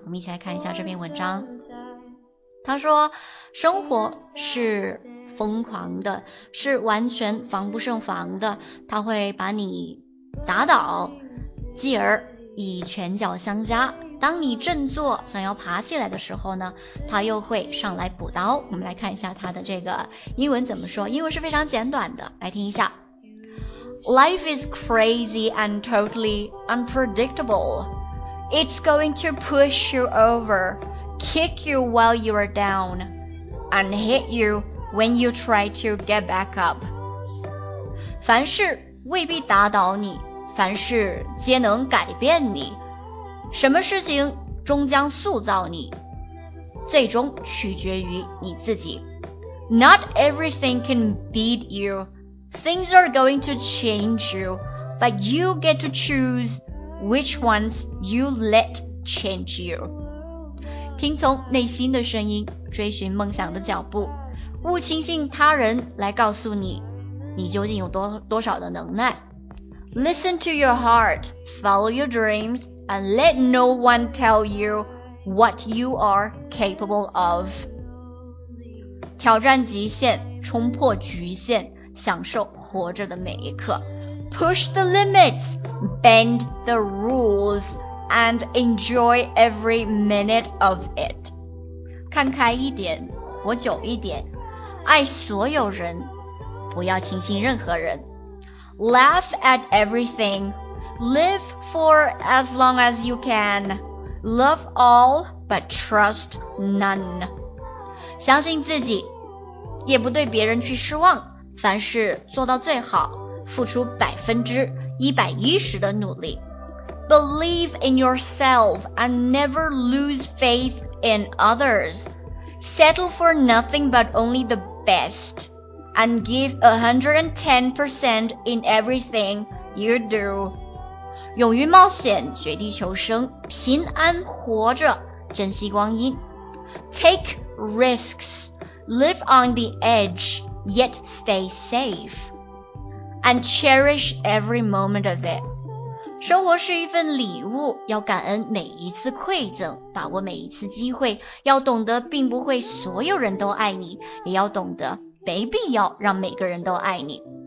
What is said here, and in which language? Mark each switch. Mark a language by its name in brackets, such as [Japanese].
[Chinese] 我们一起来看一下这篇文章，他说生活是疯狂的，是完全防不胜防的，他会把你打倒，继而以拳脚相加，当你振作想要爬起来的时候呢，他又会上来补刀。我们来看一下他的这个英文怎么说，英文是非常简短的，来听一下。 [English] Life is crazy and totally unpredictable. It's going to push you over, kick you while you are down, and hit you when you try to get back up. [Chinese] 凡事未必打倒你，凡事皆能改变你，什么事情终将塑造你，最终取决于你自己。 [English] Not everything can beat you. Things are going to change you, but you get to choose which ones you let change you. [Chinese] 听从内心的声音，追寻梦想的脚步，勿轻信他人来告诉你你究竟有多少的能耐。 [English] Listen to your heart, follow your dreams, and let no one tell you what you are capable of. [Chinese] 挑战极限，冲破局限，享受活着的每一刻。 [English] Push the limits, bend the rules, and enjoy every minute of it. [Chinese] 看开一点，活久一点，爱所有人，不要轻信任何人。 [English] Laugh at everything. Live for as long as you can. Love all, but trust none. [Chinese] 相信自己，也不对别人去失望，凡事做到最好，付出110%的努力。 [English] Believe in yourself and never lose faith in others. Settle for nothing but only the best. And give 110% in everything you do. [Chinese] 勇于冒险，绝地求生，平安活着，珍惜光阴。 [English] Take risks, live on the edge, yet stay safe. And cherish every moment of it. [Chinese] 生活是一份礼物，要感恩每一次馈赠，把握每一次机会，要懂得并不会所有人都爱你，也要懂得没必要让每个人都爱你。